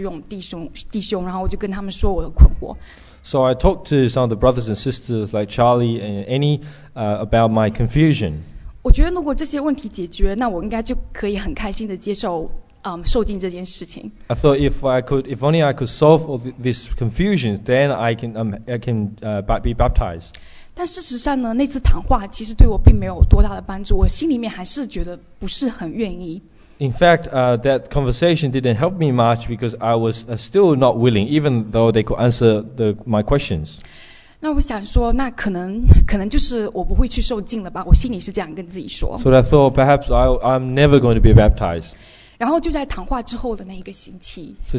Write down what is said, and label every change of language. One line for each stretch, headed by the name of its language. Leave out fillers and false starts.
Chinese: 所以呢，我就找了教会的姊妹，像青云姐，还有徐勇弟兄，然后我就跟他们说我的困惑。
English: So I talked to some of the brothers and sisters like Charlie and Annie, about my confusion.
Chinese: 我觉得如果这些问题解决，那我应该就可以很开心的接受受浸这件事情。
English: I thought if only I could solve all this confusion, then I can be baptized.
Chinese: 但事实上呢，那次谈话其实对我并没有多大的帮助，我心里面还是觉得不是很愿意。
English: In fact, that conversation didn't help me much because I was still not willing, even though they could answer my questions.
Chinese: 那我想说，那可能就是我不会去受浸了吧？我心里是这样跟自己说。
English: So I thought perhaps I'm never going to be baptized.
Chinese: 然后就在谈话之后的那一个星期。
English: So